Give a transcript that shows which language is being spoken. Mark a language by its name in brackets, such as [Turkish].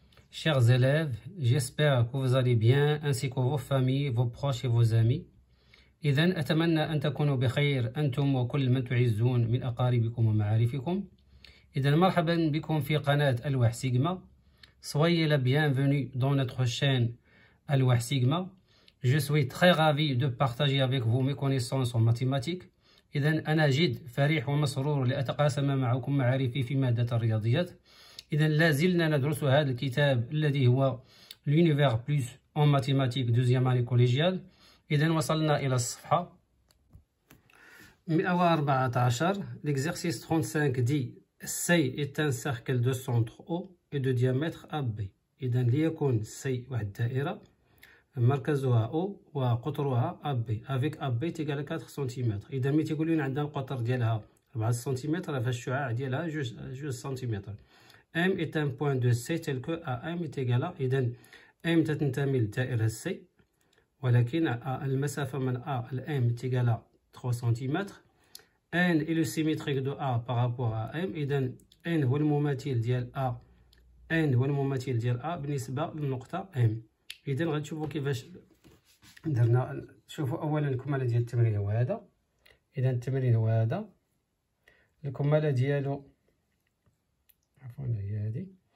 [French] Chers élèves, j'espère que vous allez bien ainsi que vos familles, vos proches et vos amis. [Arabic] إذن أتمنى أن تكونوا بخير أنتم وكل من تعزون من أقاربكم ومعارفكم. إذن مرحبا بكم في قناة ألواح سيغما. [French] Soyez la bienvenue dans notre chaîne ألواح سيغما. Je suis très ravi de partager avec vous mes connaissances en mathématiques. [Arabic] إذن أنا جد فرح ومسرور لأتقاسم معكم معارفي في مادة الرياضيات. إذن لازلنا ندرس هذا الكتاب الذي هو l'univers plus en mathématiques deuxième année collégiale. إذن وصلنا إلى الصفحة 114. [French] L'exercice 35 dit السي est un cercle de centre O et de diamètre AB. [Arabic] إذن ليكون السي واحد الدائرة مركزها O وقطرها AB avec AB تيقال 4 سنتيمتر. إذن ما تيقولون عندها القطر ديالها 4 سنتيمتر فالشعاع ديالها 2 سنتيمتر. [French] M est un point de C tel que AM est égal à. [Arabic] إذن M تتنتمي لدائرة السي ولكن المسافة من A إلى M تيقال 3 سنتيمتر. [French] N est le symétrique de A par rapport à M. [Arabic] إذن N هو المماثل ديال A. N هو المماثل ديال A بالنسبة للنقطة M. إذن غنشوفو كيفاش درنا. شوفوا أولا الكمالة ديال التمرين هو هذا. إذن التمرين هو هذا الكمالة ديالو عفوا هي هادي.